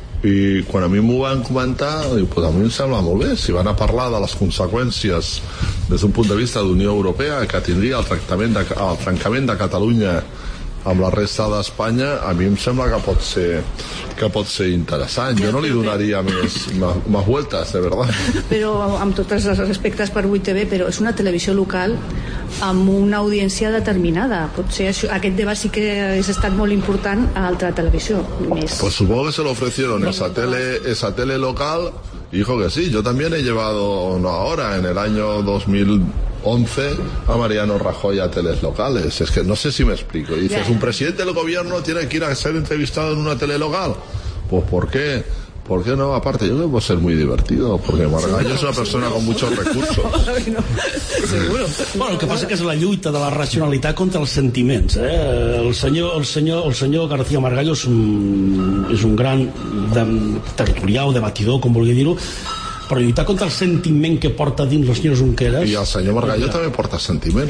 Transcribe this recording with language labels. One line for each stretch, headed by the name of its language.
Catalan: I quan a mi m'ho van comentar, diu, pues a mi em sembla molt bé, si van a parlar de les conseqüències des d'un punt de vista d'Unió Europea que tindria el trencament de Catalunya amb la resta d'Espanya, a mi em sembla que pot ser, que pot ser interessant. Jo no li donaria més, més vueltes, de veritat. Però amb tots els respectes per 8TV, però és una televisió local amb una audiència determinada. Potser això, aquest debat sí que hagués estat molt important a altra televisió. Més.
Spanish: Pues supongo que se lo ofrecieron esa tele local. Dijo que sí, yo también he llevado, no ahora, en el año 2011, a Mariano Rajoy a teles locales. Es que no sé si me explico. Dices, un presidente del gobierno tiene que ir a ser entrevistado en una tele local. Pues, ¿por qué? ¿Por qué no? Aparte, yo creo que va a ser muy divertido, porque Margallo es una persona con muchos recursos.
Catalan: Bueno, el que passa que és la lluita de la racionalitat contra els sentiments. El senyor García Margallo és un gran territorial, debatidor, com vulgui dir-ho, però lluitar contra el sentiment que porta dins el senyor Junqueras... I el senyor Margallo també porta sentiment.